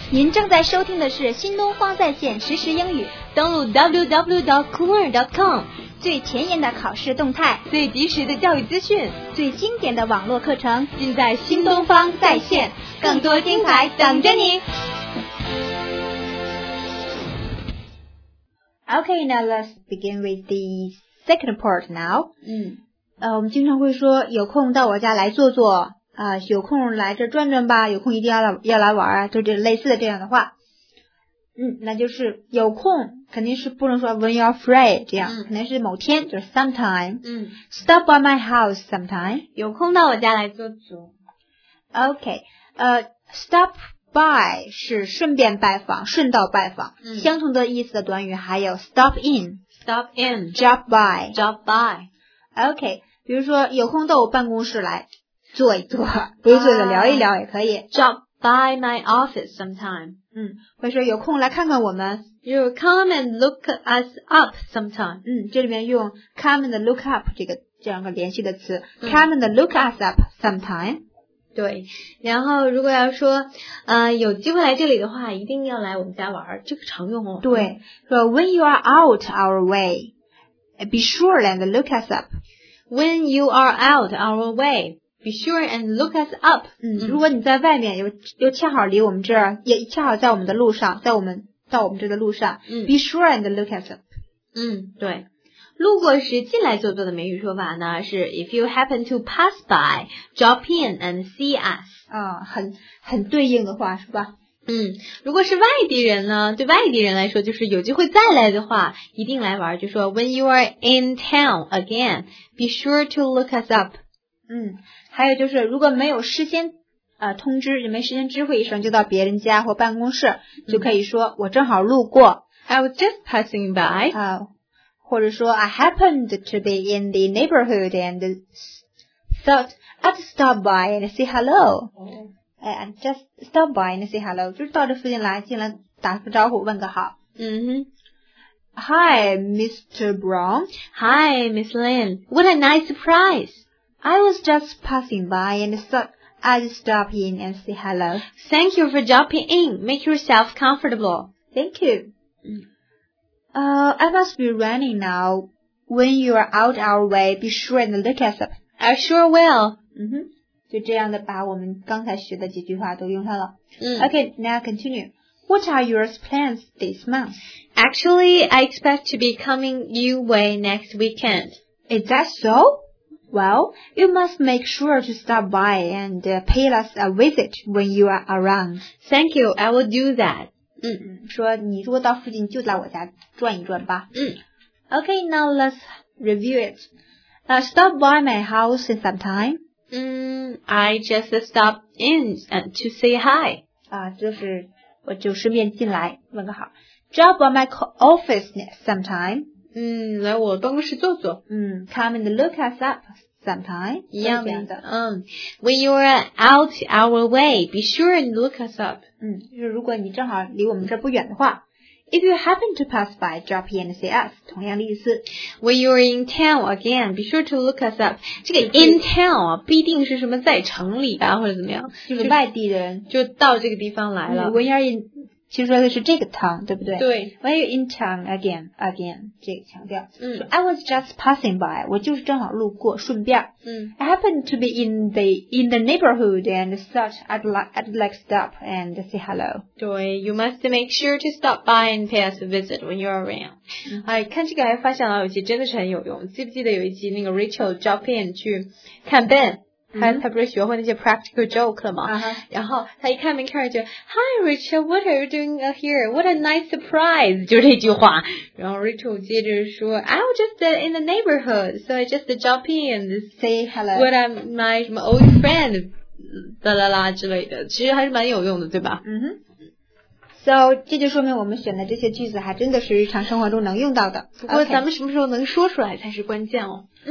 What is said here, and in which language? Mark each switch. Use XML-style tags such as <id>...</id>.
<zh>您正在收听的是新东方在线实时英语，登录 www.coolnet.com，最前沿的考试动态，最及时的教育资讯，最经典的网络课程，尽在新东方在线，更多精彩等着你。</zh> <en>Okay, now let's begin with the second part now.</en> <zh>我们经常会说有空到我家来坐坐。有空来这转转吧，有空一定要来玩啊，就这类似的这样的话。那就是有空肯定是不能说 when you're free, 这样肯定是某天就是 sometime.</zh> <en>Stop by my house sometime.</en> <zh>有空到我家来坐坐。 Okay, stop by 是顺便拜访，顺道拜访。相同的意思的短语还有 stop in,</zh> <en>drop by.</en> <zh>Okay, 比如说有空到我办公室来。坐一坐，不坐的聊一聊也可以。</zh> <en>Drop by my office sometime.</en> <zh>会说有空来看看我们。</zh> <en>You come and look us up sometime.</en> <zh>这里面用 come and look up 这样一个联系的词。</zh> <en>Come and look us up sometime.</en> <zh>对，然后如果要说，有机会来这里的话，一定要来我们家玩，这个常用哦。</zh> <en>对，说 when you are out our way, be sure and look us up. When you are out our way. Be sure and look us up.</en> <zh>如果你在外面又恰好离我们这儿，也恰好在我们的路上，在我们到我们这的路上。</zh> <en>Be sure and look us up. 对。路过时进来坐坐的美语说法呢是 If you happen to pass by, drop in and see us.</en> <zh>很对应的话是吧？如果是外地人呢，对外地人来说就是有机会再来的话一定来玩，就说 When you are in town again, be sure to look us up. 还有就是如果没有事先通知，也没事先知会一声就到别人家或办公室，就可以说我正好路过。</zh> <en>I was just passing by. 或者说 I happened to be in the neighborhood and thought I'd stop by and say hello.</en> <zh>I'd just stop by and say hello. 就是到这附近来，进来打个招呼，问个好。</zh> <en>Hi, Mr. Brown. Hi, Miss Lynn. What a nice surprise. I was just passing by and I'd stop in and say hello. Thank you for dropping in. Make yourself comfortable. Thank you. I must be running now. When you are out our way, be sure and look us up. I sure will.</en> <zh>就这样的把我们刚才学的几句话都用上了。</zh> <en>Okay, now continue. What are your plans this month? Actually, I expect to be coming your way next weekend. Is that so? Well, you must make sure to stop by and pay us a visit when you are around. Thank you, I will do that.</en> <zh>说你如果到附近就来我家转一转吧。</zh> <en>Okay, now let's review it. Stop by my house in some time. I just stopped in to say hi. 我就顺便进来问个好。 Drop by my office some time.</en> <zh>来我办公室坐坐。</zh> <en>Come and look us up sometime.</en> <zh>一样的。</zh> <en>When you are out our way, be sure and look us up.</en> <zh>就是如果你正好离我们这不远的话。</zh> <en>If you happen to pass by, drop in and see us.</en> <zh>同样的意思。</zh> <en>When you are in town again, be sure to look us up.</en> <zh>这个 in town 啊，必定是什么在城里啊，或者怎么样。就是外地人。就到这个地方来了。 When you are in... 其实说的是这个 town, 对不对？对。</zh> <en>When you're in town again, 这个强调。 I was just passing by, 我就是正好路过顺便。 I happened to be in the neighborhood and thought I'd like stop and say hello. 对 ,you must make sure to stop by and pay us a visit when you're around.</en> <zh>看这个还发现了有一集真的是很有用，记不记得有一集那个 Rachel drop in 去看 Ben? 他不是学会那些 practical joke 了吗？然后他一看门开就 Hi Rachel, what are you doing here? What a nice surprise! 就这句话。</zh> <en>然后 Rachel 接着说 I was just in the neighborhood, so I just jump in and say hello.</en> <zh>What a my old friend, 啦啦啦之类的。其实还是蛮有用的，对吧？ So, 这就说明我们选的这些句子还真的是日常生活中能用到的。不过咱们什么时候能说出来才是关键哦。</zh>